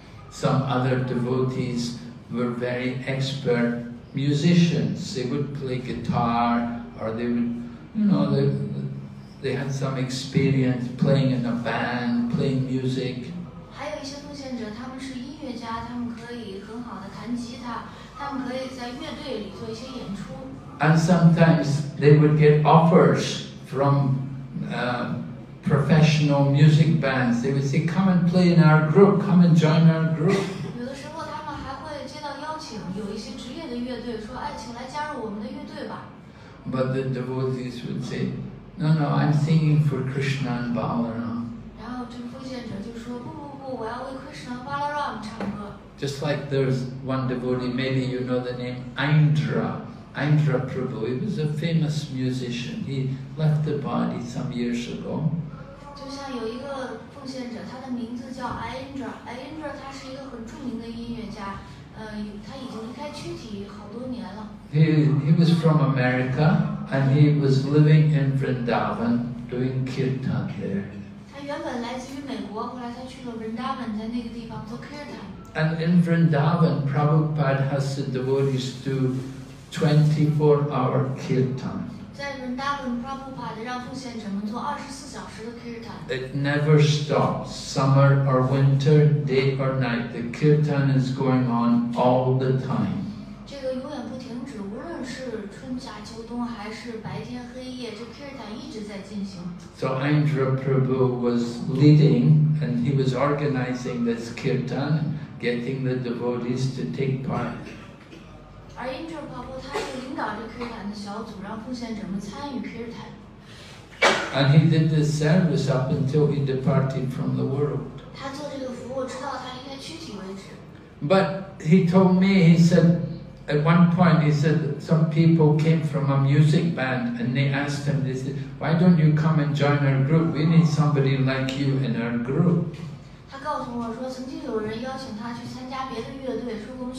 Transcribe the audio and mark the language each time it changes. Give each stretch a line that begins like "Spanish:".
English: Some other devotees were very expert musicians. They would play guitar, or they would, you know, they had some experience playing in a band, playing music.
Chinese: 还有一些奉献者，他们是音乐家，他们可以很好的弹吉他，他们可以在乐队里做一些演出。
English: And sometimes they would get offers from professional music bands. They would say, "Come and play in our group. Come and join our group."
Chinese: 有的时候他们还会接到邀请，有一些职业的乐队说，哎，请来加入我们的乐队吧。
English: But the devotees would say, "No, no, I'm singing for Krishna and Balaram."
Chinese: 然后这个奉献者就说，不不不，我要为 Krishna and Balaram 唱歌。
English: Just like there's one devotee, maybe you know the name Aindra. Aindra Prabhu, he was a famous musician. He left the body some years ago.
Chinese: 就像有一个奉献者，他的名字叫 Aindra. Aindra, 他是一个很著名的音乐家。他已经离开躯体好多年了。
English: He was from America, and he was living in Vrindavan doing kirtan there.
Chinese: 他原本来自于美国，后来他去了 Vrindavan, 在那个地方做 kirtan.
English: And in Vrindavan, Prabhupada has the devotees do. 24-hour kirtan.
Chinese: 在人大本帕布帕的让奉献者们做二十四小时的 kirtan.
English: It never stops, summer or winter, day or night. The kirtan is going on all the time.
Chinese: 这个永远不停止，无论是春夏秋冬还是白天黑夜，这 kirtan 一直在进行。
English: So Aindra Prabhu was leading, and he was organizing this kirtan, getting the devotees to take part.
Chinese: 而 Aindra Prabhu 他就领导着 kirtan 的小组，让奉献者们参与 kirtan。
English: And he did this service up until he departed from the world.
Chinese: 他做这个服务直到他离开躯体为止。
English: But he told me, he said, at one point he said some people came from a music band and they asked him, they said, "Why don't you come and join our group? We need somebody like you in our group."
Chinese: 他告诉我说，曾经有人邀请他去参加别的乐队，说。